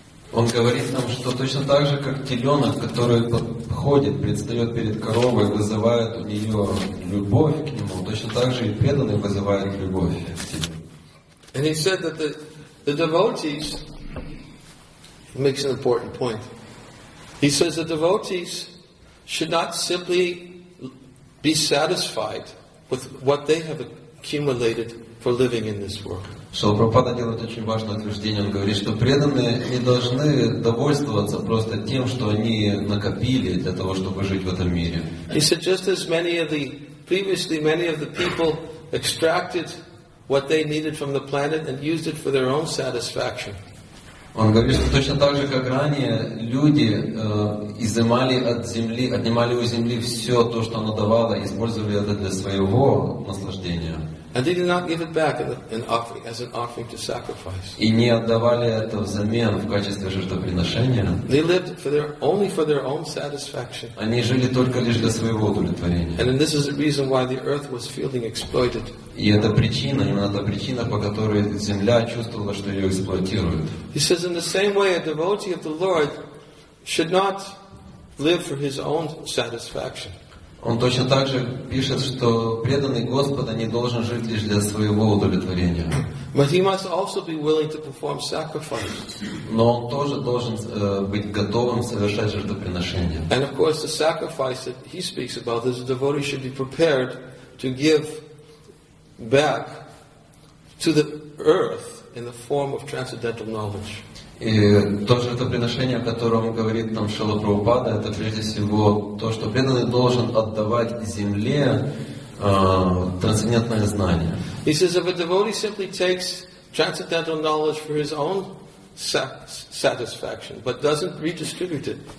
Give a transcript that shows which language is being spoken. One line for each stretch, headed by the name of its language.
Russian: Он говорит нам, что точно так же, как теленок, который подходит, предстает перед коровой, вызывает у нее любовь к нему, точно так же и преданный вызывает любовь к себе.
English: And he said that the devotees, he makes an important point. He says the devotees should not simply be satisfied with what they have accumulated for living in this world.
Russian: Шрила Прабхупада делает очень важное утверждение. Он говорит, что преданные не должны довольствоваться просто тем, что они накопили для того, чтобы жить в этом мире.
English: He said, just as many of the people extracted what they needed from the planet and used it for their own satisfaction.
Russian: Он говорит, что точно так же, как ранее, люди изымали от земли, отнимали у земли все то, что она давала, и использовали это для своего наслаждения.
English: And they did not give it back as an offering to sacrifice.
Russian: И не отдавали это взамен в качестве жертвоприношения.
English: They lived only for their own satisfaction.
Russian: Они жили только лишь для своего удовлетворения.
English: And this is the reason why the earth was feeling exploited.
Russian: И это причина, именно та причина, по которой земля чувствовала, что ее эксплуатируют.
English: He says, in the same way, a devotee of the Lord should not live for his own satisfaction.
Russian: Он точно так же пишет, что преданный Господа не должен жить лишь для своего удовлетворения.
English: But he must also be willing to perform sacrifice.
Russian: Но он тоже должен быть готовым совершать жертвоприношение.
English: And of course, the sacrifice that he speaks about is a devotee should be prepared to give back to the earth in the form of transcendental knowledge.
Russian: И то жертвоприношение, о котором говорит там Шрила Прабхупада, это прежде всего то, что преданный должен отдавать земле трансцендентное знание.
English: He says, if a devotee simply takes transcendental knowledge for his own satisfaction, but doesn't redistribute it.